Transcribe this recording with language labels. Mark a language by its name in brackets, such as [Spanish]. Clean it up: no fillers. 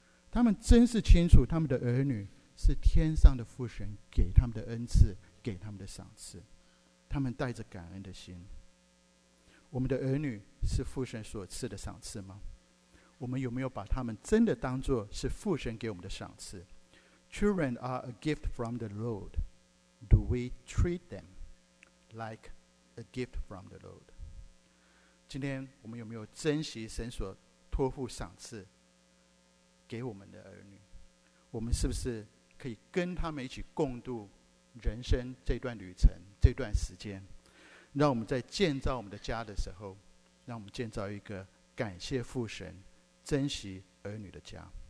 [Chinese] 他们真是清楚，他们的儿女是天上的父神给他们的恩赐，给他们的赏赐。他们带着感恩的心。我们的儿女是父神所赐的赏赐吗？我们有没有把他们真的当作是父神给我们的赏赐？ [English] Children are a gift from the Lord. Do we treat them like a gift from the Lord? [Chinese] 今天我们有没有珍惜神所托付赏赐给我们的儿女？我们是不是可以跟他们一起共度人生这段旅程，这段时间，让我们在建造我们的家的时候，让我们建造一个感谢父神、珍惜儿女的家。